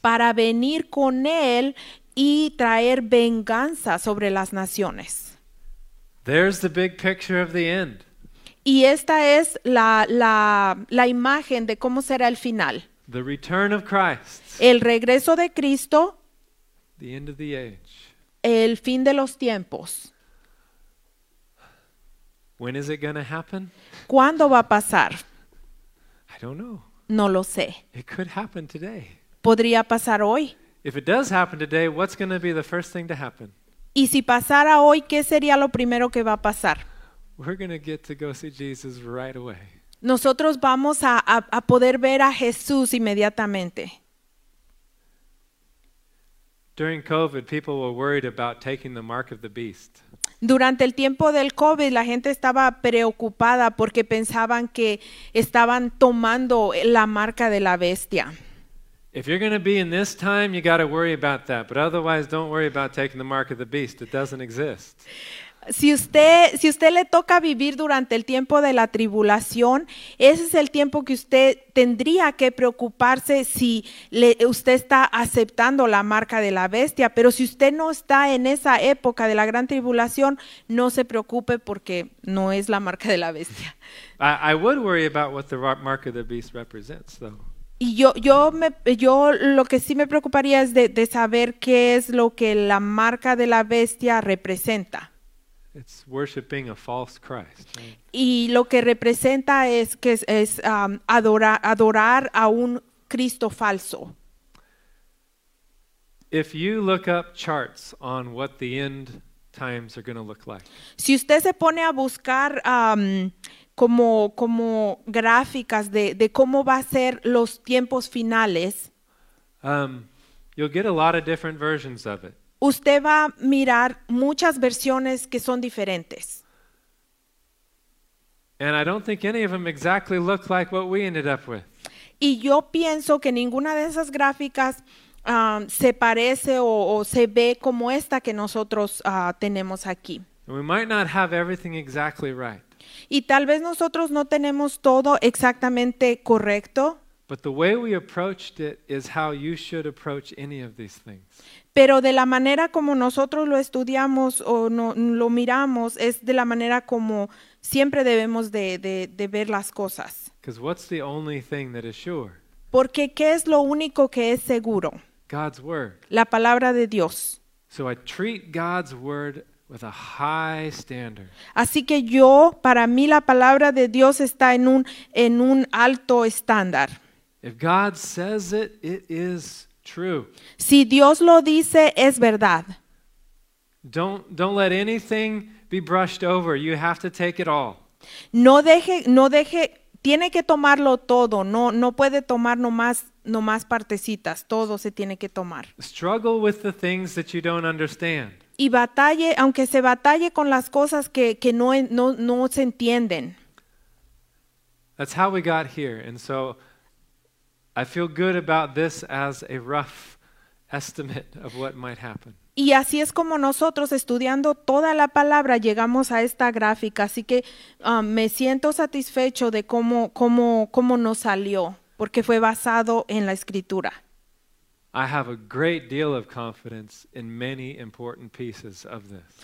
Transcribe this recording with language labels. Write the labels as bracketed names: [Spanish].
[Spanish] Para venir con él y traer venganza sobre las naciones. [English] There's the big picture of the end. [Spanish] Y esta es la imagen de cómo será el final. [English] The return of Christ. [Spanish] El regreso de Cristo. [English] The end of the age. [Spanish] El fin de los tiempos. [English] When is it gonna happen? [Spanish] ¿Cuándo va a pasar? [English] I don't know. [Spanish] No lo sé. [English] It could happen today. [Spanish] ¿Podría pasar hoy? [English] If it does happen today, what's gonna be the first thing to happen? [Spanish] ¿Y si pasara hoy, qué sería lo primero que va a pasar? [English] We're going to get to go see Jesus right away. [Spanish] Nosotros vamos a poder ver a Jesús inmediatamente. [English] During COVID, people were worried about taking the mark of the beast. [Spanish] Durante el tiempo del COVID, la gente estaba preocupada porque pensaban que estaban tomando la marca de la bestia. [English] If you're going to be in this time, you got to worry about that. But otherwise, don't worry about taking the mark of the beast. It doesn't exist. [Spanish] Si usted le toca vivir durante el tiempo de la tribulación, ese es el tiempo que usted tendría que preocuparse si usted está aceptando la marca de la bestia. Pero si usted no está en esa época de la gran tribulación, no se preocupe porque no es la marca de la bestia. [English] I would worry about what the mark of the beast represents, though. [Spanish] Y yo lo que sí me preocuparía es de saber qué es lo que la marca de la bestia representa. [English] It's worshiping a false Christ. Right? [Spanish] Y lo que representa es adorar a un Cristo falso. [English] If you look up charts on what the end times are going to look like. [Spanish] Si usted se pone a buscar como gráficas de cómo va a ser los tiempos finales. [English] You'll get a lot of different versions of it. [Spanish] Usted va a mirar muchas versiones que son diferentes. [English] And I don't think any of them exactly look like what we ended up with. [Spanish] Y yo pienso que ninguna de esas gráficas se parece o se ve como esta que nosotros tenemos aquí. [English] And we might not have everything exactly right. [Spanish] Y tal vez nosotros no tenemos todo exactamente correcto. [English] But the way we approached it is how you should approach any of these things. [Spanish] Pero de la manera como nosotros lo estudiamos o no, lo miramos, es de la manera como siempre debemos de ver las cosas. [English] Because what's the only thing that is sure? [Spanish] Porque ¿qué es lo único que es seguro? [English] God's word. [Spanish] La palabra de Dios. [English] So I treat God's word with a high standard. [Spanish] Así que yo, para mí, la palabra de Dios está en un alto estándar. [English] If God says it, it is true. [Spanish] Si Dios lo dice, es verdad. [English] Don't let anything be brushed over. You have to take it all. [Spanish] No deje, tiene que tomarlo todo. No puede tomar nomás partecitas. Todo se tiene que tomar. [English] Struggle with the things that you don't understand. [Spanish] Y batalle, aunque se batalle con las cosas que no se entienden. [English] That's how we got here, and so I feel good about this as a rough estimate of what might happen. [Spanish] Y así es como nosotros, estudiando toda la palabra, llegamos a esta gráfica. Así que me siento satisfecho de cómo nos salió, porque fue basado en la escritura. [English] I have a great deal of confidence in many important pieces of this.